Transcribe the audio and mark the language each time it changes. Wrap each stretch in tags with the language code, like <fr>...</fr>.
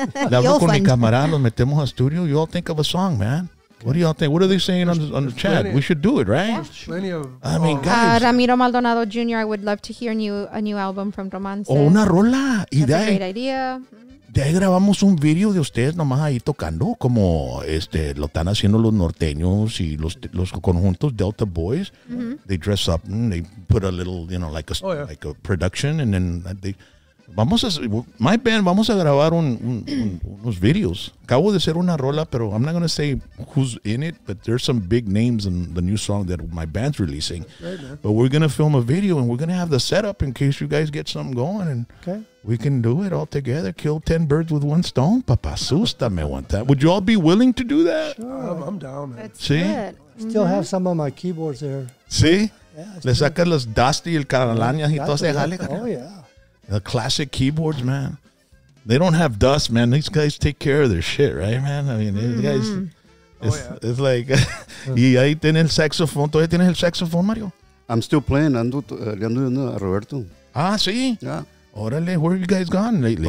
<es>Le hablo con mi camarada, nos metemos a estudio.</es> <en>You all think of a song, man. What do y'all think? What are they saying on the chat? We should do it, right? Yeah. Plenty of. I mean, guys. Ramiro Maldonado Jr., I would love to hear a new album from Romance.</en> <es>Oh, una rola.</es> <en>That's a great idea.</en> <es>De ahí grabamos un video de ustedes nomás ahí tocando, como lo están haciendo los norteños y los conjuntos Delta Boys. Mm-hmm.</es> <en>They dress up and they put a little, you know, like a production, and then they. My band,</en> <es>vamos a grabar unos videos. Acabo de hacer una rola, pero</es> <en>I'm not going to say who's in it, but there's some big names in the new song that my band's releasing. Right, man. But we're going to film a video, and we're going to have the setup in case you guys get something going. And okay. We can do it all together. Kill 10 birds with one stone.</en> <es>Papá, asústame</es> <en>one time. Would you all be willing to do that? Sure. I'm down. Man. That's See? Good. Still have some of my keyboards there. See? Yeah,</en> <es>le sacas los Dusty, el Carolanias y todo ese jale.</es> <en>Oh, yeah. The classic keyboards, man. They don't have dust, man. These guys take care of their shit, right, man? I mean, these guys, it's like,</en> <es>y ahí tiene el saxofón. ¿Todavía tienes el saxofón, Mario?</es> <en>I'm still playing.</en> <es>Ando yendo a Roberto. Ah, sí?</es> <en>Yeah. Órale, where have you guys gone lately?</en>